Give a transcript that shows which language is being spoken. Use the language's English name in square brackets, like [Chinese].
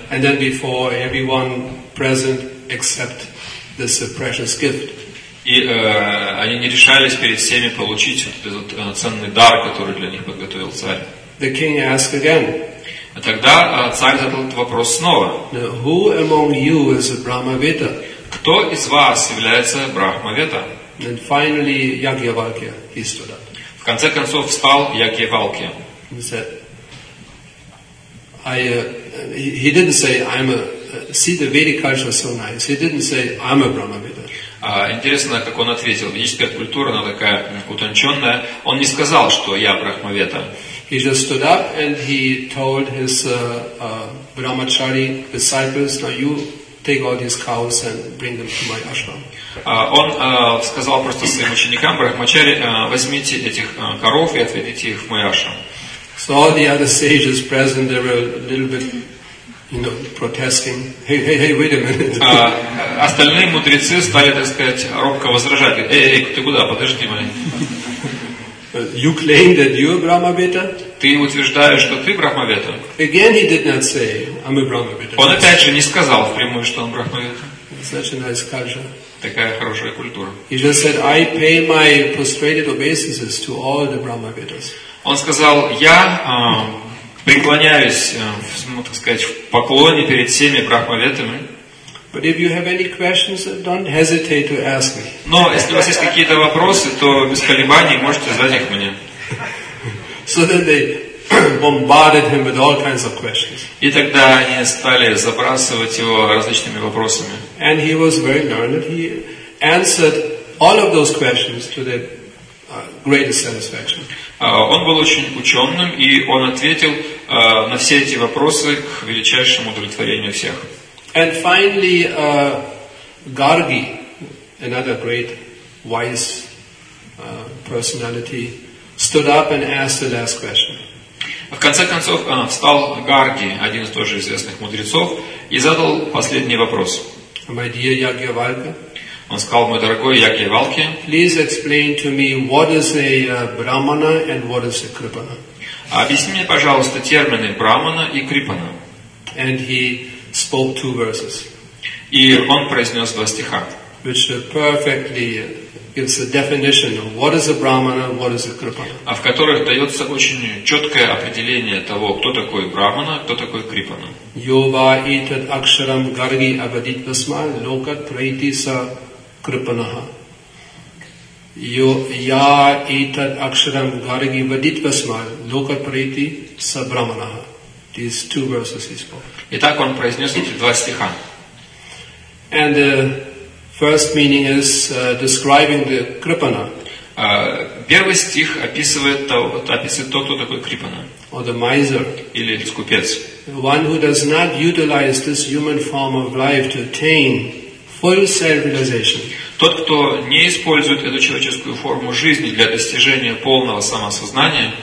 [English] And then before everyone present except this precious gift. [Russian] И они не решались перед всеми получить вот этот ценный дар, который для них подготовил царь. [English] The king asked again. [Russian] А тогда царь задал этот вопрос снова. [English] Who among you is a Brahmaveta? [Russian] Кто из вас является Брахмавета? [English] And finally, Yajñavalkya, he stood up. [Russian] В конце концов встал Яджневалкья. [English] He said, he didn't say, I'm a, see the Vedic culture is so nice. He didn't say, I'm a Brahmaveta. [Russian] Интересно, как он ответил. Ведическая культура, она такая утонченная. Он не сказал, что я Брахмавета. [English] He just stood up and he told his Brahmachari disciples, now you take all these cows and bring them to my ashram. [Russian] Он сказал просто своим ученикам, Брахмачари, возьмите этих коров и отведите их в мой ашрам. [English] So all the other sages present, they were a little bit, you know, protesting. Hey, wait a minute. [Russian] Остальные мудрецы стали, так сказать, робко возражать. Эй, ты куда? Подожди, мой. [English] You claim that you are Brahmaveta? [Russian] Ты утверждаешь, что ты Брахмавета? [English] Again he did not say, I'm a Brahmaveta. [Russian] Он опять же не сказал впрямую, что он Брахмавета. [English] Such a nice culture. [Russian] Такая хорошая культура. [English] He just said, I pay my prostrated obeisances to all the Brahmavetas. [Russian] Он сказал, я преклоняюсь, так сказать, в поклоне перед всеми брахмаветами. [English] But if you have any questions, don't hesitate to ask me. [Russian] Но если у вас есть какие-то вопросы, то без колебаний можете задать их мне. [English] So then they bombarded him with all kinds of questions. [Russian] И тогда они стали забрасывать его различными вопросами. [English] And he was very learned. He answered all of those questions to the greatest satisfaction. [Russian] Он был очень ученым, и он ответил на все эти вопросы к величайшему удовлетворению всех. [English] And finally, Gargi, another great wise personality, stood up and asked the last question. [Russian] В конце концов, встал Гарги, один из тоже известных мудрецов, и задал последний вопрос. [English] My dear Яджневалкья. [Russian] Он сказал, мой дорогой Яджневалкья. [English] Please explain to me what is a Brahmana and what is a Kripana. [Russian] Объясни мне, пожалуйста, термины Брахмана и Крипана. [English] And he spoke two verses. [Russian] И он произнес два стиха. [English] Which perfectly gives a definition of what is a Brahmana, what is a Kripana. [Russian] А в которых дается очень четкое определение того, кто такой Брахмана, кто такой Крипана. [Sanskrit] Йова итад акшарам гарги авадитвасма лока трейтиса крипанаха. Я этот акшарам гарги вадит васмал лока прити сабраманаха. [English] These two verses he spoke. [Russian] Итак, он произнес эти два стиха. [English] And the first meaning is describing the Kripana. [Russian] Первый стих описывает то, кто такой Крипана. [English] Or the miser. [Russian] Или скупец. [English] One who does not utilize this human form of life to attain full self-realization. [Russian] Тот, кто не использует эту человеческую форму жизни для достижения полного самосознания,